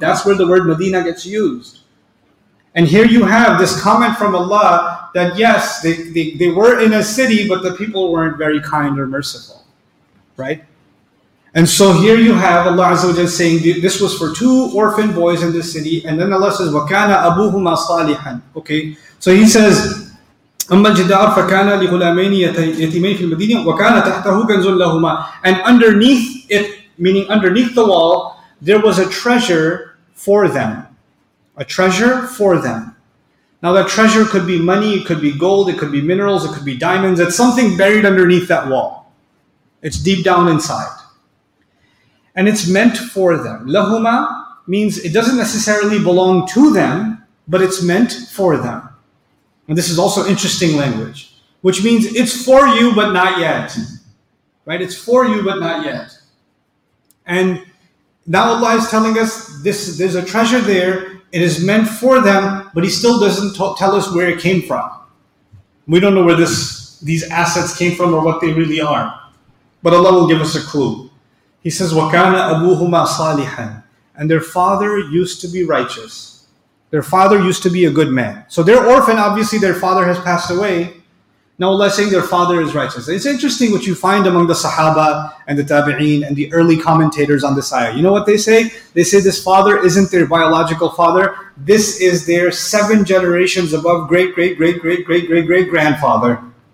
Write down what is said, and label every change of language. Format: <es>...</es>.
<en>That's where the word Medina gets used. And here you have this comment from Allah that yes, they were in a city, but the people weren't very kind or merciful, right? And so here you have Allah Azza wa Jalla saying this was for two orphan boys in the city, and then Allah says,</en> <ar>وَكَانَ أَبُوهُمَا صَالِحًا.</ar> <en>Okay, so He says,</en> <ar>أَمَّا الْجِدَارُ فَكَانَ لِغُلَامَيْنِ يَتِيمَيْنِ فِي الْمَدِينَةِ وَكَانَ تَحْتَهُ كَنْزٌ لَهُمَا.</ar> <en>And underneath it, meaning underneath the wall, there was a treasure for them. A treasure for them. Now that treasure could be money, it could be gold, it could be minerals, it could be diamonds. It's something buried underneath that wall. It's deep down inside. And it's meant for them. Lahuma means it doesn't necessarily belong to them, but it's meant for them. And this is also interesting language, which means it's for you, but not yet. Right? It's for you, but not yet. And now Allah is telling us this: there's a treasure there. It is meant for them, but He still doesn't tell us where it came from. We don't know where these assets came from or what they really are. But Allah will give us a clue. He says,</en> <ar>وَكَانَ أَبُوهُمَا صَالِحًا.</ar> <en>And their father used to be righteous. Their father used to be a good man. So they're orphan, obviously their father has passed away. Now Allah is saying their father is righteous. It's interesting what you find among the Sahaba and the Tabi'een and the early commentators on this ayah. You know what they say? They say this father isn't their biological father. This is their seven generations above great-great-great-great-great-great-great-grandfather.</en>